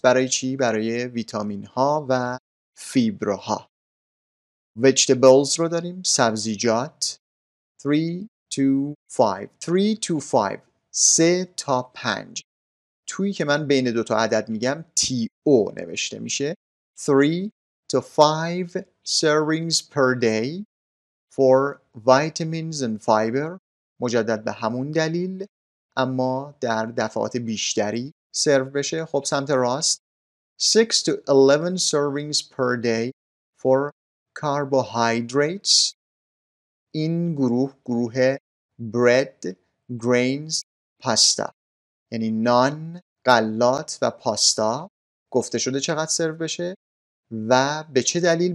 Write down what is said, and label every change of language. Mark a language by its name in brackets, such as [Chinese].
[Persian] برای چی؟ برای ویتامین ها و فیبرها. [English] Vegetables [Persian] رو داریم، سبزیجات، [English] 3 to 5 3 to 5 3 to 5. [Persian] تویی که من بین دوتا عدد میگم TO نوشته میشه. [English] 3 to 5 servings per day for vitamins and fiber. [Persian] مجدد به همون دلیل، اما در دفعات بیشتری سرو بشه. خب سمت راست، [English] 6 to 11 servings per day for carbohydrates. [Persian] این گروه، گروه [English] bread, grains, pasta، [Persian] یعنی نان، غلات و پاستا، گفته شده چقدر سرو بشه و به چه دلیل.